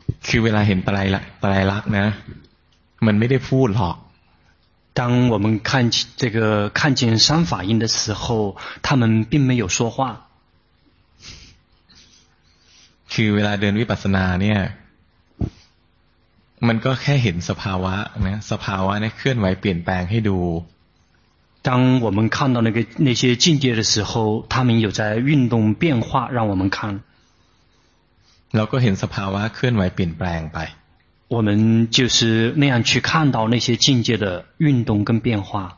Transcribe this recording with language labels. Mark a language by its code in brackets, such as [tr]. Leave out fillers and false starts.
[th] คือเวลาเห็นไตรลักษณ์นะมันไม่ได้พูดหรอก [zh] 当我们看这个看见三法印的时候他们并没有说话 [th] คือเวลาเดินวิปัสสนาเนี่ยมันก็แค่เห็นสภาวะนะสภาวะเนี่ยเคลื่อนไหวเปลี่ยนแปลงให้ดู [zh] 当我们看到那些境界的时候他们有在运动变化让我们看 [th] เราก็เห็นสภาวะเคลื่อนไหวเปลี่ยนแปลงไป [zh] 我们就是那样去看到那些境界的运动跟变化